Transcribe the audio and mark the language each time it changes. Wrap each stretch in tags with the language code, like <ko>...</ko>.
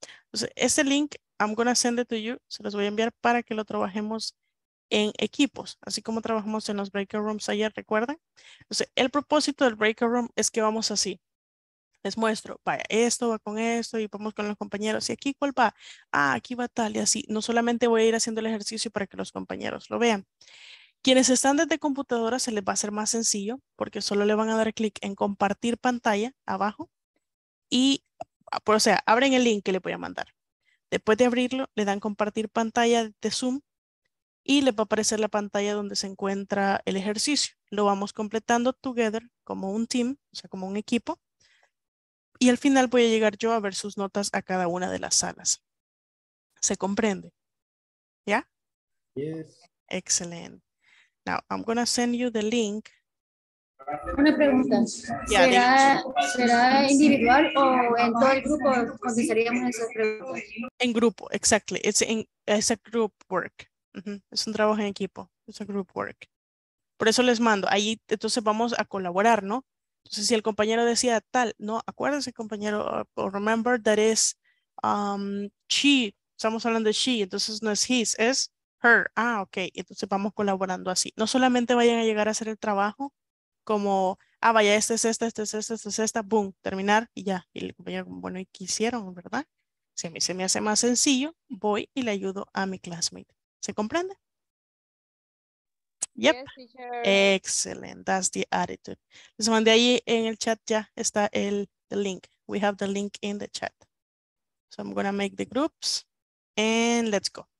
<es>Entonces, este link,</es> <en>I'm going to send it to you.</en> <es>Se los voy a enviar para que lo trabajemos en equipos. Así como trabajamos en los breakout rooms ayer, ¿recuerdan? Entonces, el propósito del breakout room es que vamos así. Les muestro, vaya, esto va con esto y vamos con los compañeros. Y aquí, ¿cuál va? Ah, aquí va tal y así. No solamente voy a ir haciendo el ejercicio para que los compañeros lo vean. Quienes están desde computadora se les va a hacer más sencillo porque solo le van a dar clic en compartir pantalla abajo. Y, o sea, abren el link que le voy a mandar. Después de abrirlo, le dan compartir pantalla de Zoom y les va a aparecer la pantalla donde se encuentra el ejercicio. Lo vamos completando together como un team, o sea, como un equipo. Y al final voy a llegar yo a ver sus notas a cada una de las salas. ¿Se comprende? ¿Ya?</es> <en>Yes. Excellent. Now, I'm going to send you the link.</en> <es>Una pregunta. Yeah, ¿Será individual o en todo el grupo contestaríamos esas preguntas? En grupo,</es> <en>exactly. It's a group work. Uh-huh.</en> <es>Es un trabajo en equipo.</es> <en>It's a group work.</en> <es>Por eso les mando. Ahí, entonces vamos a colaborar, ¿no? Entonces, si el compañero decía tal, no, acuérdese, compañero,</es> <en>remember that is she.</en> <es>Estamos hablando de she, entonces no es his, es her. Ah, ok, entonces vamos colaborando así. No solamente vayan a llegar a hacer el trabajo como, ah, vaya, esta es esta, boom, terminar y ya. Y el compañero, bueno, ¿y qué hicieron, verdad? Si a mí se me hace más sencillo, voy y le ayudo a mi classmate. ¿Se comprende?</es> <en>Yep. Yes, excellent. That's the attitude.</en> <es>Les mandé ahí en el chat ya está el link.</es> <en>We have the link in the chat. So I'm going to make the groups and let's go.</en>